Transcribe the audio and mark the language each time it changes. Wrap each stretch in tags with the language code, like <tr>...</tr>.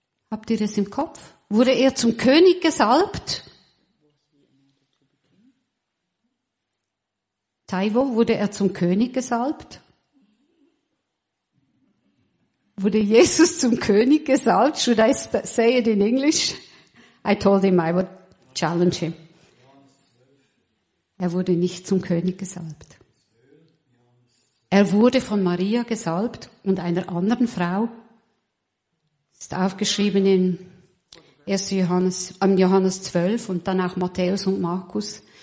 <de>Habt ihr das im Kopf? Wurde er zum König gesalbt? Taiwo, wurde er zum König gesalbt? Wurde Jesus zum König gesalbt?</de> <en>Should I say it in English? I told him I would challenge him.</en> <de>Er wurde nicht zum König gesalbt. Er wurde von Maria gesalbt und einer anderen Frau. Ist aufgeschrieben in 1. Johannes, Johannes 12 und dann auch Matthäus und Markus.</de>